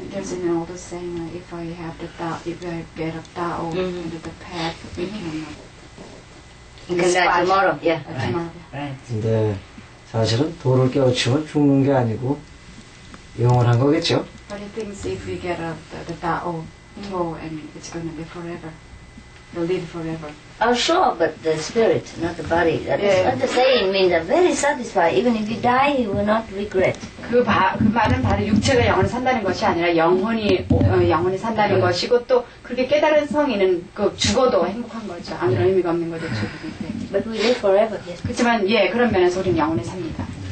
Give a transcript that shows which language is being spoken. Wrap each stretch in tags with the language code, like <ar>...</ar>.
<en>There's an old saying, if I have the Tao, if I get a Tao into the path, we can die tomorrow. Yeah. Tomorrow. Right.</en> <ko>근데 사실은 도를 깨우치면 죽는 게 아니고 영원한 거겠죠?</ko> <en>But he thinks if we get up the Tao, it's going to be forever. We'll live forever. Oh, sure, but the spirit, not the body. That is what the saying means. I'm very satisfied. Even if you die, you will not regret.</en> <ko>그 말은 바로 육체가 영원히 산다는 것이 아니라 영원히 산다는 것이고 또 그렇게 깨달은 성인은 그 죽어도 행복한 거죠. 아무런 의미가 없는 거죠, 죽을 때.</ko> <en>But we live forever, yes.</en> <ko>그렇지만, 예, 그런 면에서 우리는 영원히 삽니다.</ko>